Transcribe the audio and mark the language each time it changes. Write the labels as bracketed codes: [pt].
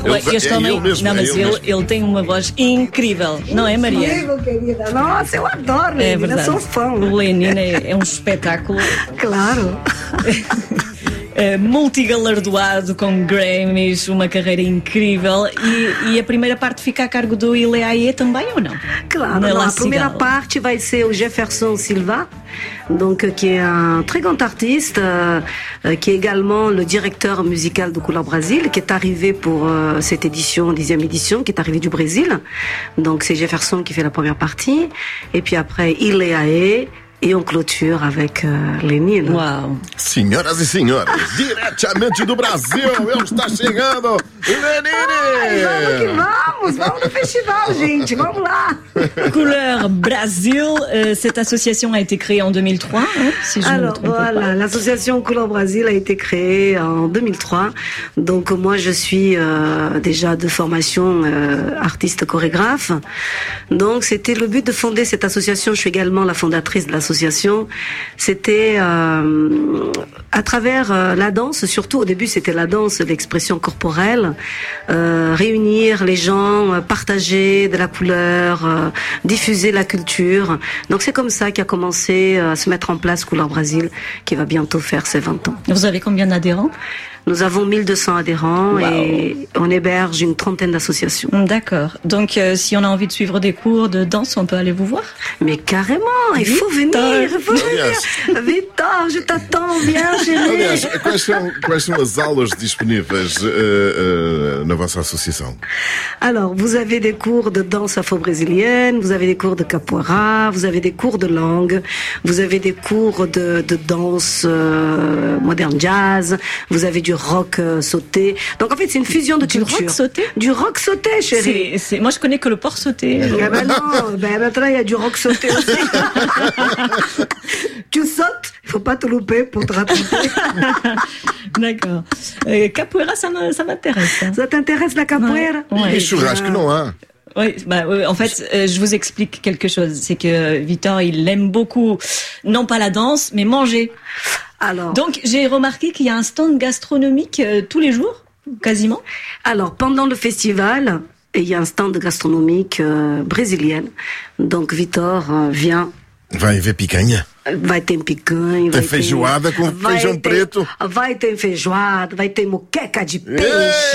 [pt] Ele tem uma voz incrível, não é, Maria? Incrível, querida. Nossa, eu adoro, eu sou fã. O Lenine é um espetáculo. Claro. Multigalardoado com Grammys, uma carreira incrível. E a primeira parte fica a cargo do Ile Aie também, ou não? Claro, não, a primeira parte vai ser o Jefferson Silva, [fr] donc, qui est un très grand artiste, qui est également le directeur musical de Couleur Brésil, qui est arrivé pour cette édition, 10e édition, qui est arrivé du Brésil. Donc c'est Jefferson qui fait la première partie. Et puis après, Ile Aie. E um clôture avec Lenine. [pt] Uau! Senhoras e senhores, diretamente do Brasil, ele está chegando! Lenine! Ai, vamos no festival, gente! Vamos lá! [fr] Couleur Brasil, cette association a été créée en 2003, hein, si je Alors, me trompe voilà, pas. L'association Couleur Brasil a été créée en 2003. Donc, moi, je suis déjà de formation artiste-chorégraphe. Donc, c'était le but de fonder cette association. Je suis également la fondatrice de l'association, c'était à travers la danse, surtout au début c'était la danse, l'expression corporelle, réunir les gens, partager de la couleur, diffuser la culture. Donc c'est comme ça qu'a commencé à se mettre en place Couleur Brasil, qui va bientôt faire ses 20 ans. Vous avez combien d'adhérents ? Nous avons 1200 adhérents. Wow. Et on héberge une trentaine d'associations. D'accord. Donc si on a envie de suivre des cours de danse, on peut aller vous voir ? Mais carrément, il faut venir, il faut venir. Victor, je t'attends, viens, chérie. [pt] Aliás, quais são as aulas disponíveis na vossa associação? [fr] Alors, vous avez des cours de danse afro-brésilienne, vous avez des cours de capoeira, vous avez des cours de langue, vous avez des cours de danse moderne jazz, vous avez du rock sauté. Donc en fait, c'est une fusion de cultures. Du rock sauté ? Du rock sauté, chérie. C'est... Moi, je connais que le porc sauté. Maintenant, il y a du rock sauté aussi. Tu sautes, il ne faut pas te louper pour te rattraper. D'accord. Capoeira, ça m'intéresse. Hein. Ça t'intéresse, la capoeira ? Ouais. Ouais. Et churrasque, non, hein. Oui, bah, en fait, je vous explique quelque chose. C'est que Victor, il aime beaucoup, non pas la danse, mais manger. Alors, donc, j'ai remarqué qu'il y a un stand gastronomique tous les jours, quasiment. Alors, pendant le festival, il y a un stand gastronomique brésilien. Donc, Victor vient. [pt] Vai ver picanha. Vai ter picanha. Tem feijoada com feijão preto. Vai ter feijoada, vai ter moqueca de peixe.